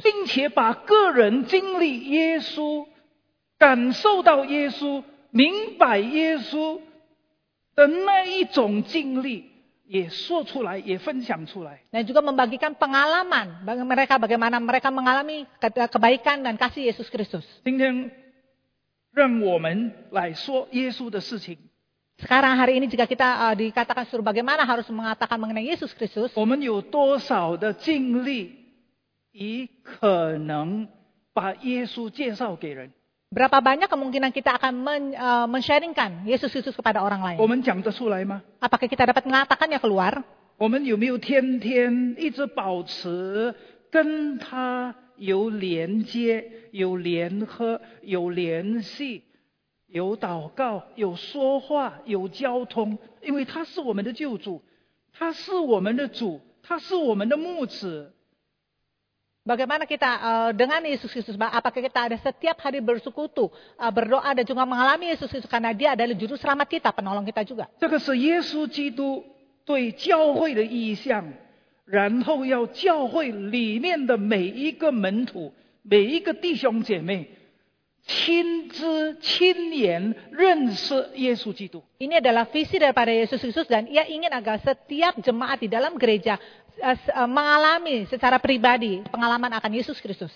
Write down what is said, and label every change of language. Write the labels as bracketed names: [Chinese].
[Chinese] 并且把个人经历耶稣，感受到耶稣，明白耶稣的那一种经历也说出来，也分享出来。 [Indonesian] Dan juga membagikan pengalaman bagi mereka bagaimana mereka mengalami kebaikan dan kasih Yesus Kristus. [Chinese] 今天让我们来说耶稣的事情。 [Indonesian] Sekarang hari ini jika kita dikatakan suruh bagaimana harus mengatakan mengenai Yesus Kristus. [Chinese] 我们有多少的经历以可能把耶稣介绍给人？ [Indonesian] Berapa banyak kemungkinan kita akan men-sharingkan Yesus Kristus kepada orang lain? [Chinese] 我们讲得出来吗？ [Indonesian] Apakah kita dapat mengatakannya keluar? [Chinese] 我们有没有天天一直保持跟他有连接、有联合、有联系、有祷告、有说话、有交通？因为他是我们的救主，他是我们的主，他是我们的牧子。 [Indonesian] Bagaimana kita dengan Yesus Kristus? Apakah kita ada setiap hari bersekutu, berdoa dan juga mengalami Yesus Kristus karena dia adalah juru selamat kita, penolong kita juga. [Chinese] 这个是耶稣基督对教会的意象，然后要教会里面的每一个门徒，每一个弟兄姐妹亲自亲眼认识耶稣基督。 [Indonesian] Ini adalah visi daripada Yesus Kristus dan ia ingin agar setiap jemaat di dalam gereja mengalami secara pribadi pengalaman akan Yesus Kristus.